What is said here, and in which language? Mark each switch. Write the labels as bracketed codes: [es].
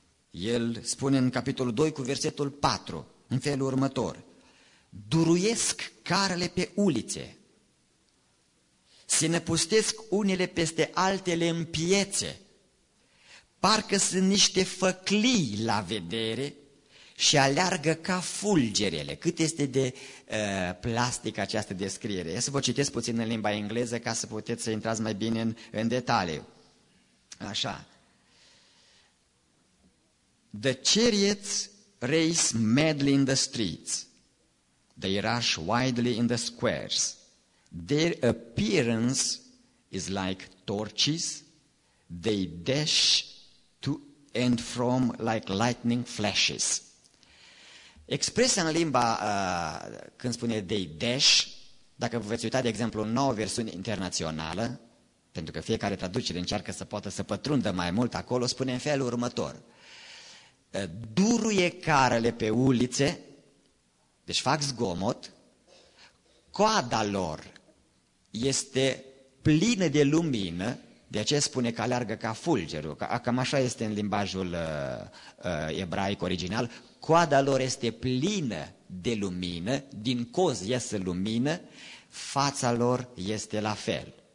[ro] El spune în capitolul 2 cu versetul 4, în felul următor: duruiesc carele pe ulițe, se năpustesc unele peste altele în piețe, parcă sunt niște făclii la vedere și aleargă ca fulgerele. Cât este de plastic această descriere. Să vă citesc puțin în limba engleză ca să puteți să intrați mai bine în detaliu. Așa. [en] The chariots race madly in the streets. They rush wildly in the squares. Their appearance is like torches. They dash to and from like lightning flashes. [ro] Expresia în limba, când spune [en] they dash, [ro] dacă vă veți uita, de exemplu, o nouă versiune internațională, pentru că fiecare traducere încearcă să poată să pătrundă mai mult acolo, spune în felul următor: duruie carele pe ulițe, deci fac zgomot, coada lor este plină de lumină, de aceea spune că aleargă ca fulgerul, cam așa este în limbajul ebraic original, coada lor este plină de lumină, din coz iese lumină, fața lor este la fel.